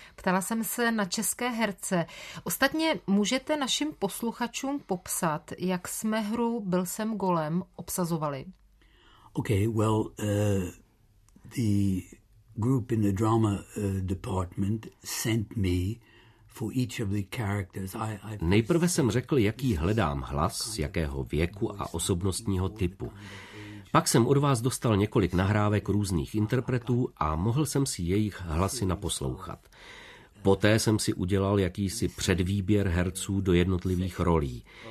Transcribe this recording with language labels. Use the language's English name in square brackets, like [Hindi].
[Czech] Ptala jsem se na české herce. Ostatně můžete našim posluchačům popsat, jak jsme hru Byl jsem golem obsazovali? [English] Okay, well, the group in the drama department sent me for each of the characters. [Czech] Nejprve jsem řekl, jaký hledám hlas, jakého věku a osobnostního typu. Pak jsem od vás dostal několik nahrávek různých interpretů a mohl jsem si jejich hlasy naposlouchat. Poté jsem si udělal jakýsi předvýběr herců do jednotlivých rolí.